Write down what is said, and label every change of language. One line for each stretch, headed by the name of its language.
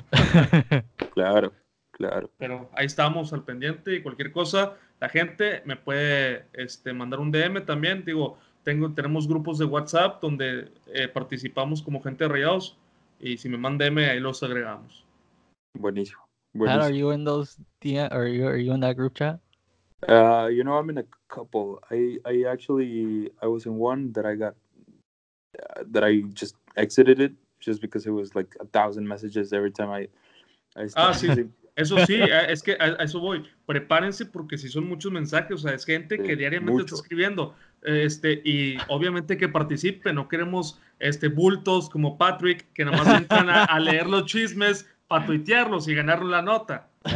Spanish: Sí. Claro, claro. Pero ahí estamos al pendiente y cualquier cosa... La gente me puede mandar un DM también. Digo, tenemos grupos de WhatsApp donde participamos como gente de Rayados. Y si me mandan DM, ahí los agregamos. Buenísimo.
English: Are you in are you in that group chat? You know, I'm in a couple. I was in one that I got, that I just exited it just because it was like 1,000 messages every time I started using.
Spanish: Eso sí, es que a eso voy. Prepárense porque si son muchos mensajes, o sea, es gente que diariamente está escribiendo. Y obviamente que participen, no queremos bultos como Patrick, que nada más entran a leer los chismes para tuitearlos y ganar la nota.